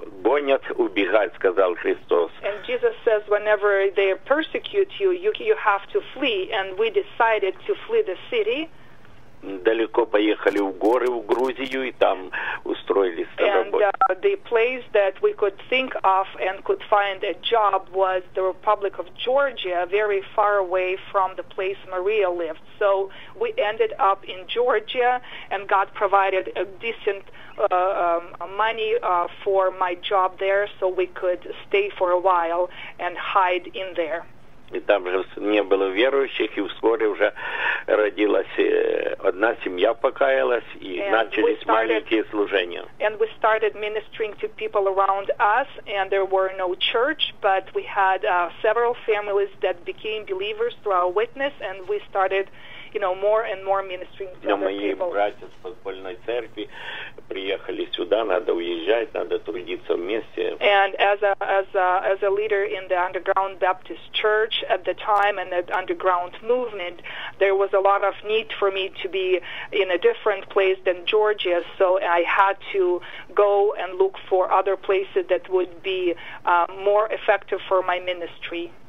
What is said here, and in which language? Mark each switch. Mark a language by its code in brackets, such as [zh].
[en] And Jesus says, whenever they persecute you, you have to flee. And we decided to flee the city. [ru] Далеко поехали в горы в Грузию и там устроились на работу. [en] And the place that we could think of and could find a job was the Republic of Georgia, very far away from the place Maria lived. So we ended up in Georgia, and God provided a decent money for my job there, so we could stay for a while and hide in there. [ru] И там же не было верующих, и вскоре уже родилась одна семья, покаялась, и начались маленькие служения. [en] And we started ministering to people around us, and there were no church, but we had several families that became believers through our witness, and we started, you know, more and more ministering to other people. [ru] Мои братья с подпольной церкви приехали сюда, надо уезжать, надо трудиться вместе. [en] And as a leader in the underground Baptist church at the time and the underground movement, there was a lot of need for me to be in a different place than Georgia, so I had to go and look for other places that would be more effective for my ministry.